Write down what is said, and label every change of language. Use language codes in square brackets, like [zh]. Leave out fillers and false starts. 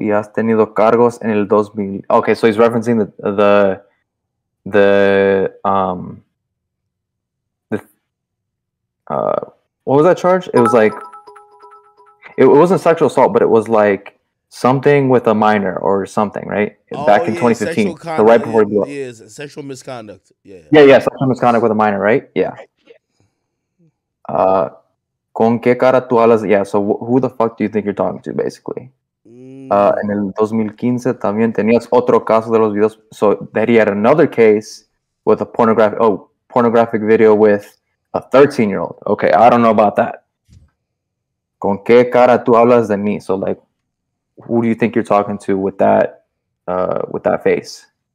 [es] Te has sido preso y has tenido cargos en el 2000. [en] Okay, so he's referencing the what was that charge? It was like, it wasn't sexual assault, but it was like something with a minor or something, right? Back in 2015. So right before Sexual misconduct. Yeah. Sexual misconduct with a minor, right? Yeah. [es] Con qué cara tú hablas? [en] Yeah, so who the fuck do you think you're talking to, basically? [es] En el 2015 también tenías otro caso de los videos. [en] So that he had another case with a pornographic video with a 13-year-old. Okay, I don't know about that. [es] Con qué cara tú hablas de mí? [en] So like, who do you think you're talking to with that face?